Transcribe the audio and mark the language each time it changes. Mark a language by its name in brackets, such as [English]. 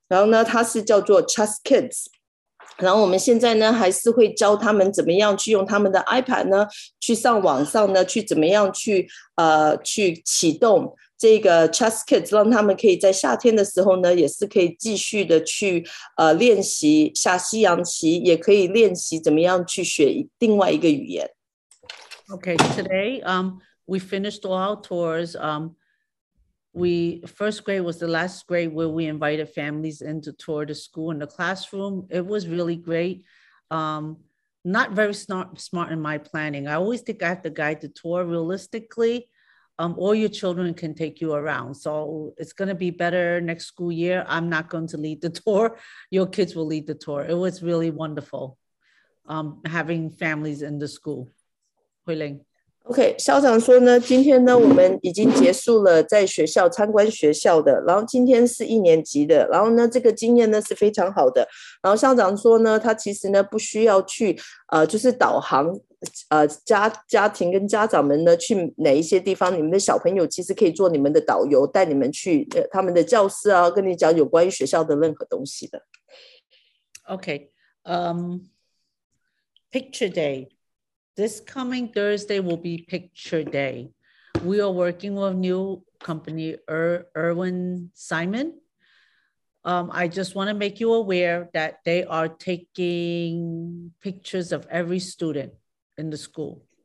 [Chinese] 然后呢它是叫做 Chess Kids， 然后我们现在呢还是会教他们怎么样去用他们的 iPad 呢去上网上呢去怎么样去启动这个 Chess Kids， 让他们可以在夏天的时候呢也是可以继续的去练习下西洋棋，也可以练习怎么样去学另外一个语言。 [English] Okay, today we finished all our tours. First grade was the last grade where we invited families in to tour the school and the classroom. It was really great. Not very smart in my planning. I always think I have to guide the tour. Realistically, all your children can take you around. So it's going to be better next school year. I'm not going to lead the tour. Your kids will lead the tour. It was really wonderful having families in the school. Hui Ling. [Chinese] OK， 校长说呢，今天呢我们已经结束了在学校参观学校的，然后今天是一年级的，然后呢这个经验呢是非常好的。然后校长说呢，他其实呢不需要去就是导航家庭跟家长们呢去哪一些地方，你们的小朋友其实可以做你们的导游，带你们去他们的教室啊，跟你讲有关于学校的任何东西的。 [English] OK， Picture Day。 This coming Thursday will be Picture Day. We are working with new company, Irwin Simon. I just want to make you aware that they are taking pictures of every student in the school.